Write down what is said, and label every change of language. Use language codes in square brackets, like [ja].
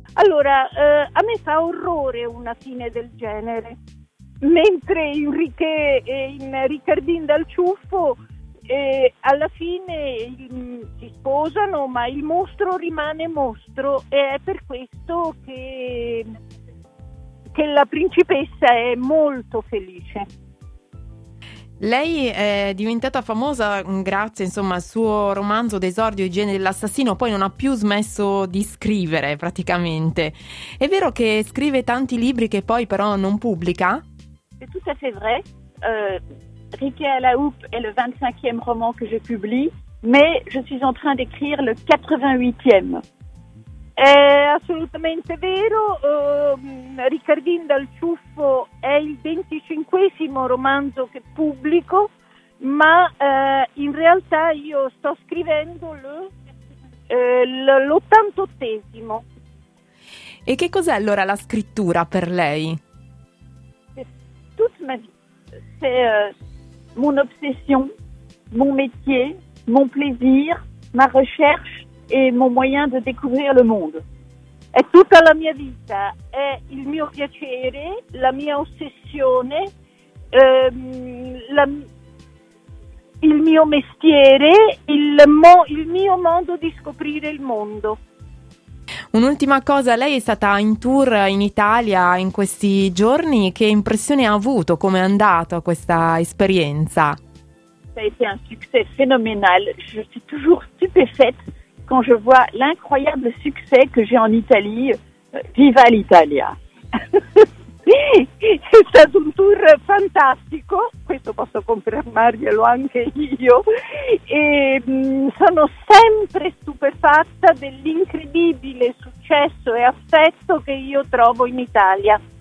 [it] Allora, a me fa orrore una fine del genere, mentre Enrique e in Riccardin dal ciuffo alla fine si sposano, ma il mostro rimane mostro e è per questo che la principessa è molto felice. Lei è diventata famosa grazie, insomma, al suo romanzo d'esordio, Igiene dell'assassino. Poi non ha più smesso di scrivere, praticamente. È vero che scrive tanti libri che poi però non pubblica? [fr] C'est tout à fait vrai. Riquet à la houppe est le 25e roman que je publie, mais je suis en train d'écrire le 88e. [it] È assolutamente vero, Riccardin dal ciuffo è il 25esimo romanzo che pubblico, ma in realtà io sto scrivendo l'88esimo. E che cos'è allora la scrittura per lei? [fr] Toute ma vie, c'est mon obsession, mon métier, mon plaisir, ma recherche e mon moyen de découvrir le monde. [it] È tutta la mia vita, è il mio piacere, la mia ossessione, il mio mestiere, il mio modo di scoprire il mondo. Un'ultima cosa, lei è stata in tour in Italia in questi giorni, che impressione ha avuto, come è andata questa esperienza? [fr] Ça a été un succès phénoménal, je suis toujours stupéfaite quand je vois l'incroyable succès que j'ai en Italie, [it] viva l'Italia! È stato un tour fantastico, questo posso confermarglielo anche io, e sono sempre stupefatta dell'incredibile successo e affetto che io trovo in Italia.